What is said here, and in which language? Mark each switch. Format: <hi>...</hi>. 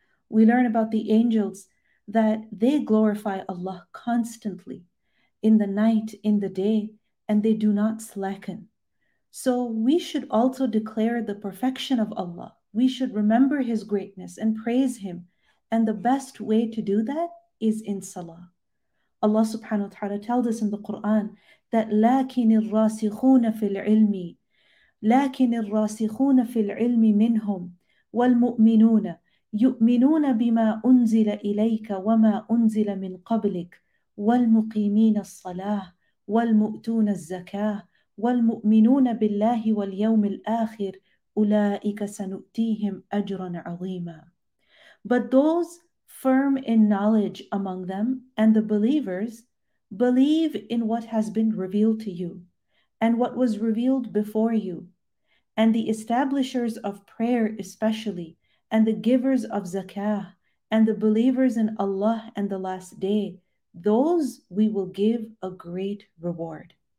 <en>We learn about the angels that they glorify Allah constantly, in the night, in the day, and they do not slacken. So we should also declare the perfection of Allah. We should remember His greatness and praise Him. And the best way to do that is in salah. Allah subhanahu wa ta'ala tells us in the Quran that</en> <ar>لَكِنِ الرَّاسِخُونَ فِي الْعِلْمِ لَكِنِ الرَّاسِخُونَ فِي الْعِلْمِ مِنْهُمْ وَالْمُؤْمِنُونَ يُؤْمِنُونَ بِمَا أُنزِلَ إِلَيْكَ وَمَا أُنزِلَ مِنْ قَبْلِكَ وَالْمُقِيمِينَ الصَّلَاةِ وَالْمُؤْتُونَ الزَّكَاةِ وَالْمُؤْمِنُونَ بِاللَّهِ وَالْيَوْمِ الْآخِرِ أُولَٰئِكَ سَنُؤْتِيهِمْ أَجْرًا عَظِيمًا.</ar> <en>But those firm in knowledge among them and the believers, believe in what has been revealed to you and what was revealed before you, and the establishers of prayer especially, and the givers of zakah, and the believers in Allah and the last day, those we will give a great reward.</en>